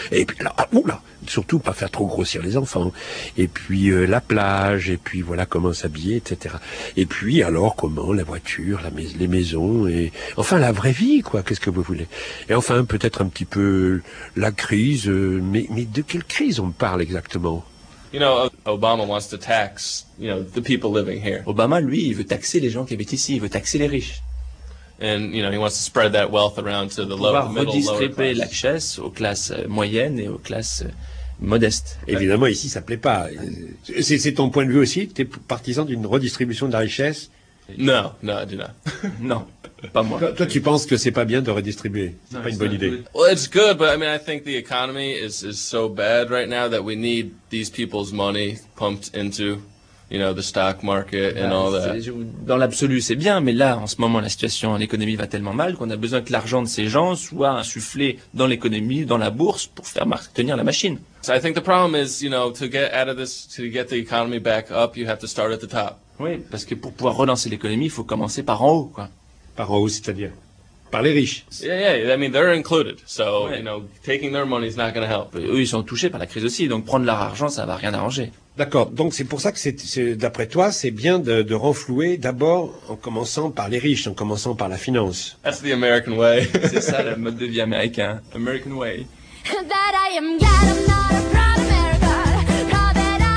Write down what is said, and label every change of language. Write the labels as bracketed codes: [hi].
[fr] Et puis là, oula, surtout pas faire trop grossir les enfants. Et puis la plage, et puis voilà comment s'habiller, etc. Et puis alors, comment la voiture, les maisons, et enfin la vraie vie, quoi, qu'est-ce que vous voulez. Et enfin, peut-être un petit peu la crise, mais de quelle crise on parle exactement? [en] You know, Obama wants to tax, you know, the people living here. [fr] Obama, lui, il veut taxer les gens qui habitent ici, il veut taxer les riches. [en] And you know, he wants to spread that wealth around to the lower, middle, lower class. [fr] Pouvoir redistribuer la richesse aux classes moyennes et aux classes modestes. Évidemment, ici, ça plaît pas. C'est ton point de vue aussi? T'es partisan d'une redistribution de la richesse? [en] No, I do not. [fr] Non, pas moi. Toi, tu penses que c'est pas bien de redistribuer. C'est pas une bonne idée. [en] Well, it's good, but I mean, I think the economy is so bad right now that we need these people's money pumped into, you know, the stock market and all that. [fr] Dans l'absolu, c'est bien, mais là, en ce moment, la situation en économie va tellement mal qu'on a besoin que l'argent de ces gens soit insufflé dans l'économie, dans la bourse, pour faire tenir la machine. [en] So I think the problem is, you know, to get out of this, to get the economy back up, you have to start at the top. [fr] Oui, parce que pour pouvoir relancer l'économie, il faut commencer par en haut, quoi. Par en haut, c'est-à-dire par les riches. [en] Yeah, I mean they're included, so ouais. You know taking their money is not going to help. [fr] Eux, ils sont touchés par la crise aussi, donc prendre leur argent, ça va rien arranger. D'accord. Donc c'est pour ça que c'est d'après toi, c'est bien de renflouer d'abord en commençant par les riches, en commençant par la finance. [en] That's the American way. [fr] C'est ça le mode de vie américain. [en] American way. That I am God, I'm not a proud America.